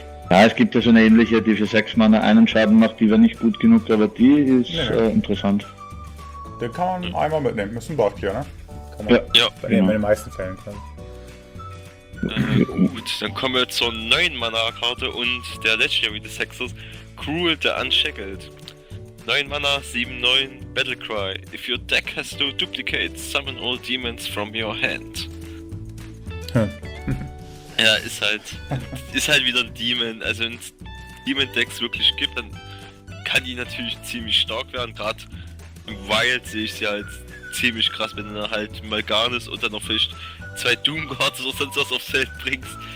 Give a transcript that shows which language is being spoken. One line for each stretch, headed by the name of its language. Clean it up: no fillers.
German: Ja, es gibt ja so eine ähnliche, die für 6 Mana einen Schaden macht, die wäre nicht gut genug, aber die ist interessant. Den kann man einmal mitnehmen, ist ein Board hier, ne? Kann man in den meisten Fällen können. Gut, dann kommen wir zur 9 Mana Karte und der Legendary des Hexes, Cruel the Unshackled. 9 Mana, 7-9, Battlecry.
English: If your deck has no duplicates, summon all demons from your hand.
German: Ja, ist halt wieder ein Demon. Also wenn es Demon-Decks wirklich gibt, dann kann die natürlich ziemlich stark werden. Gerade im Wild sehe ich sie halt ziemlich krass, wenn du dann halt Mal'Ganis und dann noch vielleicht 2 Doomguards oder sonst was aufs Feld bringst.